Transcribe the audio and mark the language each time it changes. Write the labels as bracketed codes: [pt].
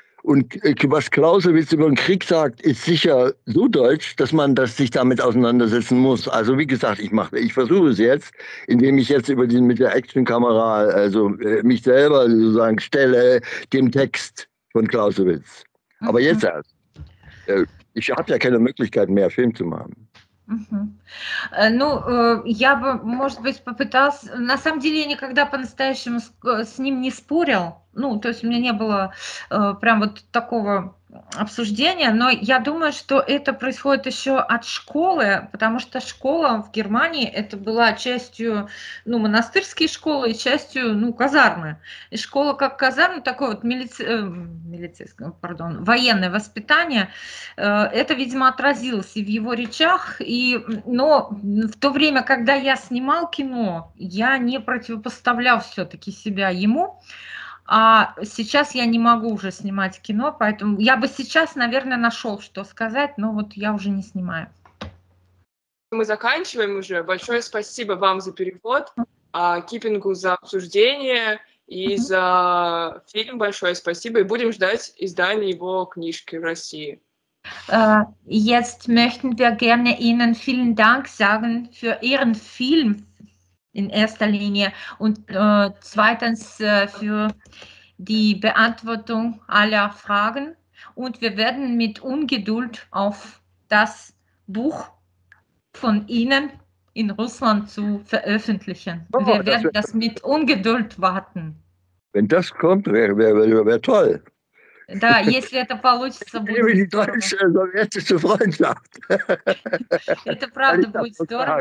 [de] Und was Clausewitz über den Krieg sagt, ist sicher so deutsch, dass man das sich damit auseinandersetzen muss. Also wie gesagt, ich versuche es jetzt, indem ich jetzt über mit der Actionkamera, also mich selber sozusagen stelle, dem Text von Clausewitz. Mhm. Aber jetzt erst. Ich habe ja keine Möglichkeit mehr, Film zu machen. [ru] Ну, я бы, может быть, попыталась. На самом деле, я никогда по-настоящему с ним не спорил. Ну, то есть у меня не было прям вот такого обсуждения. Но я думаю, что это происходит еще от школы, потому что школа в Германии это была частью, ну, монастырские школы и частью, ну, казармы. И школа как казарма, такое вот военное воспитание, это, видимо, отразилось и в его речах. Но в то время, когда я снимал кино, я не противопоставлял все-таки себя ему. А сейчас я не могу уже снимать кино, поэтому я бы сейчас, наверное, нашел, что сказать, но вот я уже не снимаю. Мы заканчиваем уже. Большое спасибо вам за перевод, Кипингу за обсуждение и за фильм. Большое спасибо. И будем ждать издания его книжки в России. [de] Jetzt möchten wir gerne Ihnen vielen Dank sagen für Ihren Film. In erster Linie und zweitens für die Beantwortung aller Fragen. Und wir werden mit Ungeduld auf das Buch von Ihnen in Russland zu veröffentlichen. Wir werden das mit Ungeduld warten. Wenn das kommt, wär toll. [ru] Да, если это получится, будет здорово. Дальше советуется Freundschaft. Это правда будет здорово.